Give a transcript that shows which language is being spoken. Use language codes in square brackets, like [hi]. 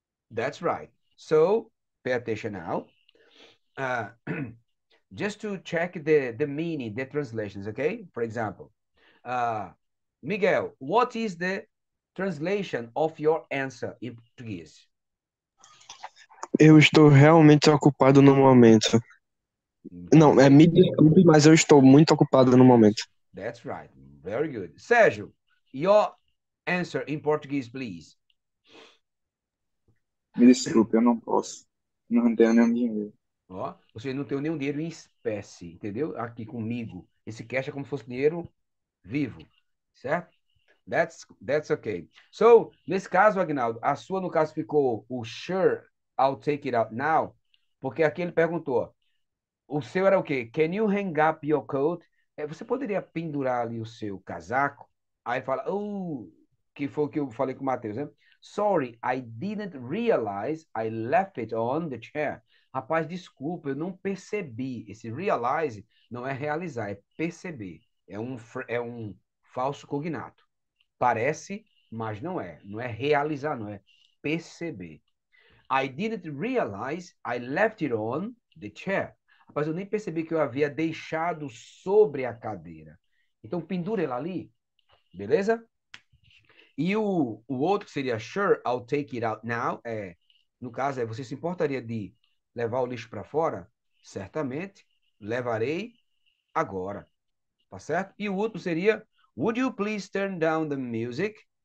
[en] That's right. So, pay attention now. just to check the meaning, the translations, okay? For example, Miguel, what is the translation of your answer in Portuguese? [pt] Eu estou realmente ocupado no momento. Não, é me desculpe, mas eu estou muito ocupado no momento. [en] That's right. Very good. Sérgio, your answer in Portuguese, please. [pt] Me desculpe, eu não posso. Não tenho nenhum dinheiro. Ó, você não tem nenhum dinheiro em espécie, entendeu? Aqui comigo. Esse cash é como se fosse dinheiro vivo, certo? [en] That's okay. [pt] So, nesse caso, Agnaldo, a sua no caso ficou o [en] sure, I'll take it out now, [pt] porque aqui ele perguntou, o seu era o quê? [en] Can you hang up your coat? [pt] Você poderia pendurar ali o seu casaco? Aí ele fala, oh, que foi o que eu falei com o Matheus, né? [en] Sorry, I didn't realize I left it on the chair. [pt] Rapaz, desculpa, eu não percebi. Esse realize não é realizar, é perceber. É um falso cognato. Parece, mas não é. Não é realizar, não é perceber. [en] I didn't realize I left it on the chair. [pt] Rapaz, eu nem percebi que eu havia deixado sobre a cadeira. Então, pendura ela ali. Beleza? E o outro seria, [en] sure, I'll take it out now. [pt] No caso, você se importaria de levar o lixo para fora? Certamente, levarei agora. Tá certo? E o outro seria, [en] would you please turn down the music?